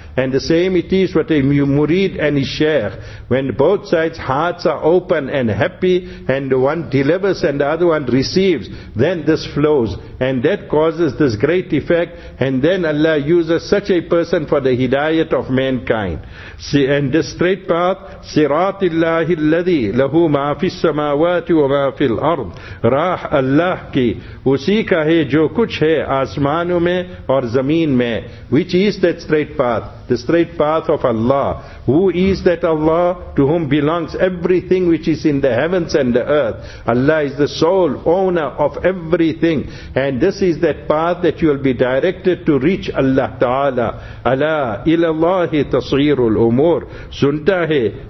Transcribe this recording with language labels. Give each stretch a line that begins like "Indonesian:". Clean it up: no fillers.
English: And the same it is with a murid and his sheikh. When both sides' hearts are open and happy, and the one delivers and the other one receives, then this flows. And that causes this great effect, and then Allah uses such a person for the hidayat of mankind. See, and this straight path,
Arabic: صِرَاطِ اللَّهِ الَّذِي لَهُ مَا فِي السَّمَاوَاتِ وَمَا فِي الْأَرْضِ
Urdu: راہ اللہ کی اسی کا ہے جو کچھ ہے آسمانوں میں اور زمین میں.
English: Which is that straight path? The straight path of Allah. Who is that Allah? To whom belongs everything which is in the heavens and the earth. Allah is the sole owner of everything. And this is that path that you will be directed to reach Allah Ta'ala.
Arabic: Ala ila Allahi tasirul umur.
Urdu: Sunta hai.